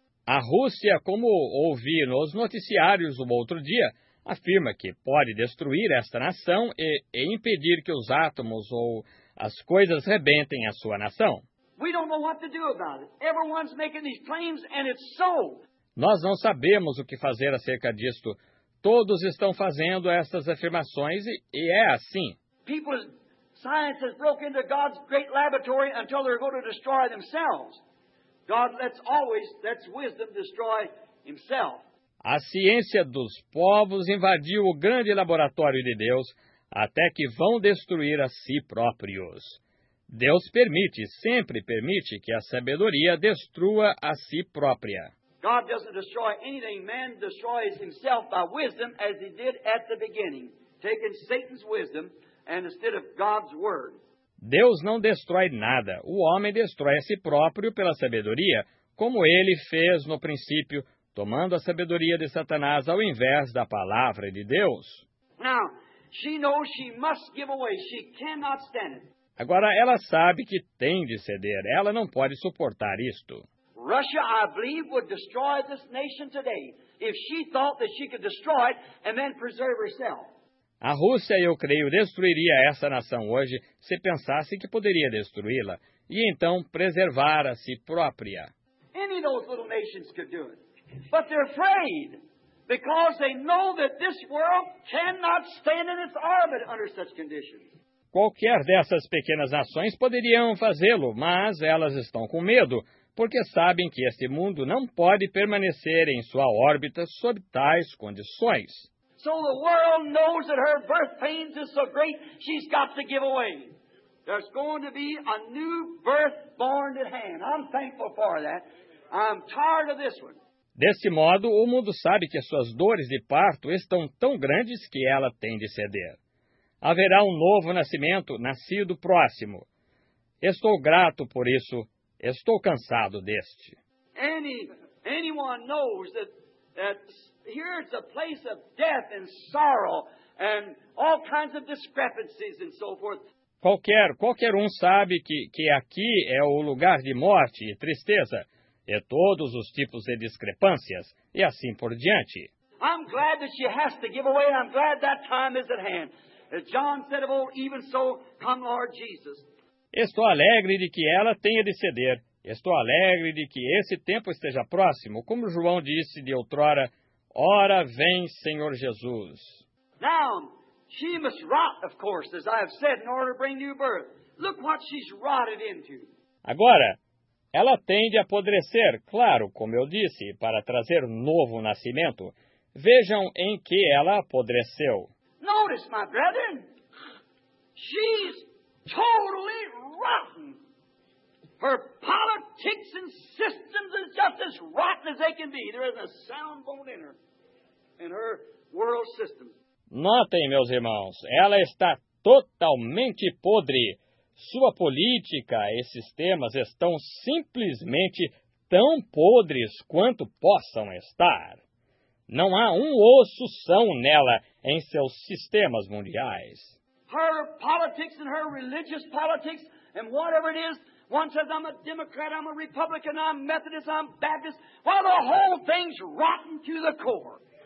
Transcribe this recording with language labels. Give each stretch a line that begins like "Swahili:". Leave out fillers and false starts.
Portuguese: A Rússia, como ouvi nos noticiários o outro dia, afirma que pode destruir esta nação e impedir que os átomos ou as coisas rebentem a sua nação.
English: We don't know what to do about it. Everyone's making these claims and it's so.
Portuguese: Nós não sabemos o que fazer acerca disto. Todos estão fazendo essas afirmações e é assim.
English: People's science has broken into God's great laboratory until they're going to destroy themselves. God lets wisdom destroy himself.
Portuguese: A ciência dos povos invadiu o grande laboratório de Deus até que vão destruir a si próprios. Deus permite, sempre permite que a sabedoria destrua a si própria.
English: God doesn't destroy anything. Man destroys himself by wisdom as he did at the beginning, taking Satan's wisdom and instead of God's word.
Portuguese: Deus não destrói nada. O homem destrói a si próprio pela sabedoria, como ele fez no princípio, tomando a sabedoria de Satanás ao invés da palavra de Deus.
English: Now, she knows she must give away. She cannot stand it.
Portuguese: Agora, ela sabe que tem de ceder. Ela não pode suportar isto.
English: Russia, I believe, would destroy this nation today if she thought that she could destroy it and then preserve herself.
Portuguese: A Rússia, eu creio, destruiria essa nação hoje se pensasse que poderia destruí-la e então preservar a si própria.
English: Any of those little nations could do it. But they're afraid because they know that this world cannot stand in its orbit under such conditions.
Portuguese: Qualquer dessas pequenas nações poderiam fazê-lo, mas elas estão com medo porque sabem que este mundo não pode permanecer em sua órbita sob tais condições.
English: So the world knows that her birth pains is so great, she's got to give away. There's going to be a new birth born at hand. I'm thankful for that. I'm tired of this one.
Portuguese: Desse modo, o mundo sabe que as suas dores de parto estão tão grandes que ela tem de ceder. Haverá um novo nascimento, nascido próximo. Estou grato por isso. Estou cansado deste.
English: Anyone knows that here it's a place of death and sorrow and all kinds of discrepancies and so forth.
Portuguese: Qualquer um sabe que aqui é o lugar de morte e tristeza, e todos os tipos de discrepâncias, e assim por diante.
English: I'm glad that she has to give away, and I'm glad that time is at hand. As John said of old, even so, come Lord Jesus.
Portuguese: Estou alegre de que ela tenha de ceder. Estou alegre de que esse tempo esteja próximo, como João disse de outrora, ora vem, Senhor Jesus.
English: Now, she must rot, of course, as I have said, in order to bring new birth. Look what she's rotted into.
Portuguese: Agora, ela tem de apodrecer, claro, como eu disse, para trazer novo nascimento. Vejam em que ela apodreceu.
English: Notice, my brethren, she's totally rotten. Her politics and systems are just as rotten as they can be. There isn't a sound bone in her, in her world system.
Portuguese: Notem, meus irmãos, ela está totalmente podre. Sua política e sistemas estão simplesmente tão podres quanto possam estar. Não há um osso são nela em seus sistemas mundiais.
English: Her politics and her religious politics and whatever it is, one says I'm a Democrat, I'm a Republican, I'm Methodist, I'm Baptist. Well, the whole thing's rotten to the core.